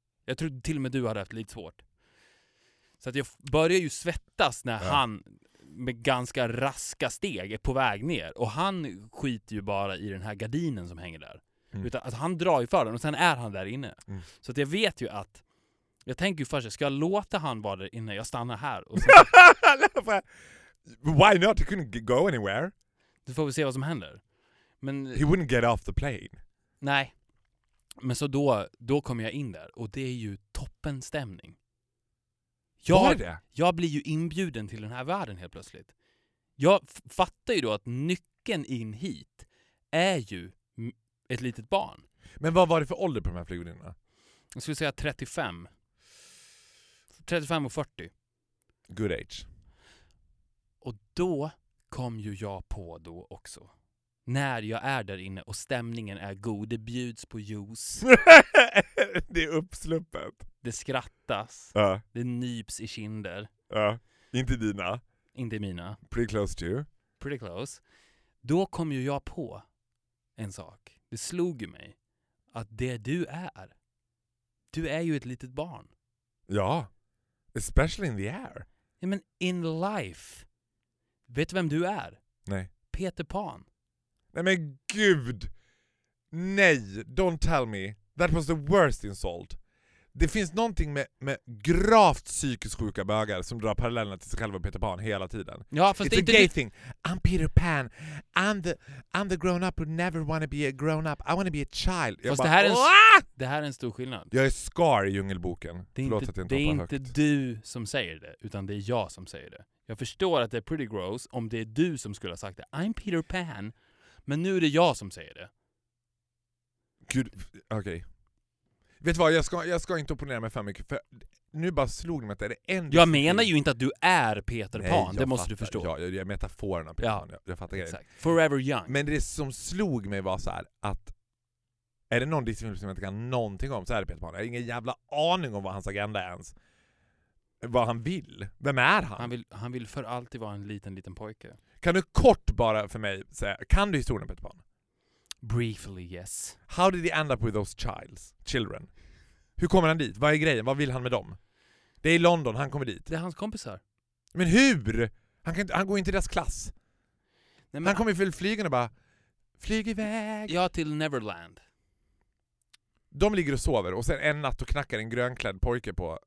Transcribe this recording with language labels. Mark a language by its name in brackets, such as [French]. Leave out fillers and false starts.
[Swedish] Jag tror till och med du hade haft lite svårt. Så att jag börjar ju svettas när han... med ganska raska steg är på väg ner. Och han skiter ju bara i den här gardinen som hänger där. Mm. Utan, alltså, han drar ju för den och sen är han där inne. Mm. Så att jag vet ju att Jag tänker ju först, ska jag låta han vara där innan jag stannar här? Och så... [English] Why not? He couldn't go anywhere. [Swedish] Då får vi se vad som händer. Men... [English] He wouldn't get off the plane. [Swedish] Nej. Men så då kommer jag in där. Och det är ju toppen stämning. Jag blir ju inbjuden till den här världen helt plötsligt. Jag fattar ju då att nyckeln in hit är ju ett litet barn. Men vad var det för ålder på de här flygningarna? Jag skulle säga 35. 35 och 40. [English] Good age. [Swedish] Och då kom ju jag på då också. När jag är där inne och stämningen är god. Det bjuds på juice. Det är uppsluppet. Det skrattas. Det nyps i kinder. Inte dina. Inte mina. [English] Pretty close to you. Pretty close. [Swedish] Då kom ju jag på en sak. Det slog ju mig. Att det du är ju ett litet barn. Ja, [English] especially in the air. [Swedish] Ja, men [English] in life. [Swedish] Vet du vem du är? Nej. Peter Pan. Nej men gud. Nej, [English] don't tell me. That was the worst insult. [Swedish] Det finns någonting med gravt psykiskt sjuka bögar som drar parallellerna till sig själva Peter Pan hela tiden. Ja, [English] it's [Swedish] det [English] a gay thing. I'm Peter Pan. I'm the grown up who never want to be a grown up. I want to be a child. [Swedish] Fast det, det här är en stor skillnad. Jag är Scar i Djungelboken. Det är inte du som säger det, utan det är jag som säger det. Jag förstår att det är [English] pretty gross [Swedish] om det är du som skulle ha sagt det. [English] I'm Peter Pan. [Swedish] Men nu är det jag som säger det. Gud, okej. Vet du vad, jag ska inte opponera mig för mycket. För nu bara slog mig att det är det enda... Jag menar ju inte att du är Peter Pan. Nej, det måste du förstå. Ja, jag är metaforerna Peter Pan. Jag fattar grejen. [English] Forever young. [Swedish] Men det som slog mig var så här att... Är det någon Disney-film som jag inte kan någonting om så är det Peter Pan. Jag har ingen jävla aning om vad hans agenda är ens. Vad han vill. Vem är han? Han vill för alltid vara en liten pojke. Kan du kort bara för mig säga... Kan du historien Peter Pan? [English] Briefly, yes. How did he end up with those children? [Swedish] Hur kommer han dit? Vad är grejen? Vad vill han med dem? Det är i London, han kommer dit. Det är hans kompisar. Men hur? Han går inte i deras klass. Nej, men han kommer för flygande bara... Flyg iväg! Ja, till Neverland. De ligger och sover och sen en natt och knackar en grönklädd pojke på...